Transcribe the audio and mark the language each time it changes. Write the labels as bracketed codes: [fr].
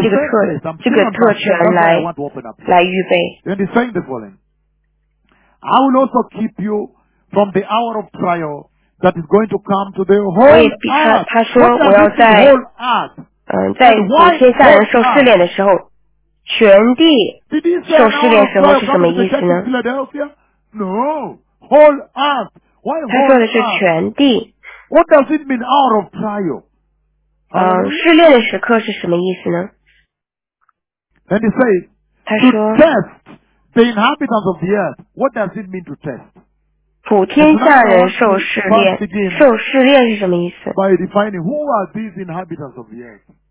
[zh] 要抓住这个机会，这个特权来预备。 [en] And he's saying the following, I will also keep you from the hour of trial that is going to come to the whole earth. [zh] 他说我要在 在昨天下人受试炼的时候，全地受试炼时候是什么意思呢？ [en] No, whole earth. Why whole earth? [zh] 他说的是全地。 [en] What does it mean, hour of trial? [zh] 试炼的时刻是什么意思呢？ [en] And he says, [zh] 他说, [en] to test the inhabitants of the earth. What does it mean to test? [zh] 普天下人受试炼，受试炼是什么意思？ [en] By defining who are these inhabitants of the earth.